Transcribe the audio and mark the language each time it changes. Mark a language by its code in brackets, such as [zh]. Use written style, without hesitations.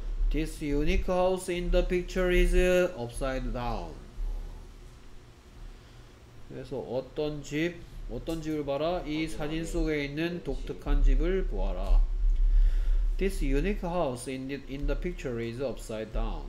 [en] This unique house in the picture is upside down. [ko] 그래서 어떤 집, 어떤 집을 봐라? 이 사진 속에 있는 독특한 집을 보아라. [en] This unique house in the picture is upside down.